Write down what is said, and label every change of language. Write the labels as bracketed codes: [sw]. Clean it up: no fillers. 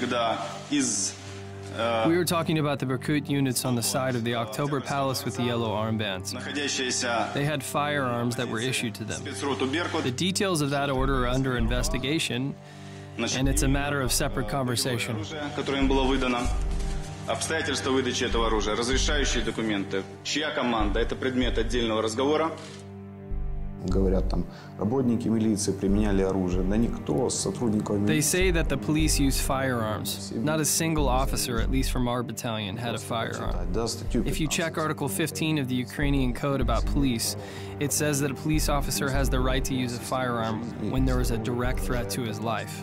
[en] We were talking about the Berkut units on the side of the October Palace with the yellow armbands. They had firearms that were issued to them. The details of that order are under investigation. And it's a matter of separate conversation. [ru] Которое им было выдано. Обстоятельства выдачи этого оружия, разрешающие документы, чья команда это предмет отдельного разговора. Говорят там, работники милиции применяли оружие, да никто из сотрудников милиции. [en] They say that the police use firearms. Not a single officer, at least from our battalion, had a firearm. If you check Article 15 of the Ukrainian Code about police, it says that a police officer has the right to use a firearm when there is a direct threat to his life.